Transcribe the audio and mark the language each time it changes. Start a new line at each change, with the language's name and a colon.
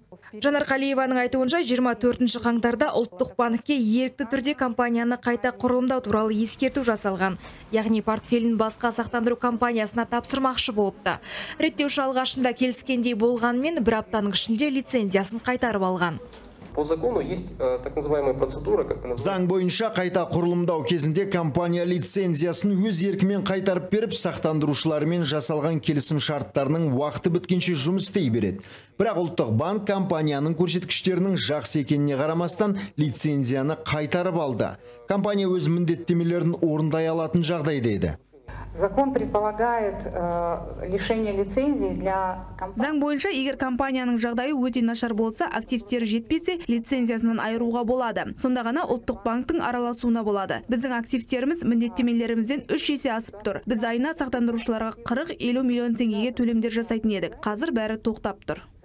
Kazakh: Жанар Қалиеваның айтуынша, 24 қаңтарда ұлттық банкке ерікті түрде компанияны қайта құрылымдау туралы ескерту жасалған, яғни портфелін басқа сақтандыру компаниясына тапсырмақшы болыпты. Реттеуші алғашында келіскендей болғанмен, бір аптаның ішінде лицензиясын қайтарып алған.
Russian: По закону есть так называемая процедура, как она называется.
Kazakh: Заң бойынша қайта құрылымдау кезінде компания лицензиясын өз еркімен қайтарып беріп, сақтандырушылармен жасалған келісім шарттарының уақыты біткенше жұмыс істей береді. Бірақ ұлттық банк компанияның көрсеткіштерінің жақсы екеніне қарамастан лицензияны қайтарып алды. Компания өз міндеттемелерін орындай алатын жағдай дейді.
Russian: Закон предполагает лишение лицензии для компании.
Kazakh: Заң бойынша, егер компанияның жағдайы өте нашар болса, активтер жетпесе, лицензиясынан айыруға болады. Сонда ғана ұлттық банктың араласуына болады. Біздің активтеріміз міндеттемелерімізден 3 есе асып тұр. Біз айына сақтандырушыларға 40-50 миллион теңгеге төлемдер жасайтын едік. Қазір бәрі тоқтап тұр.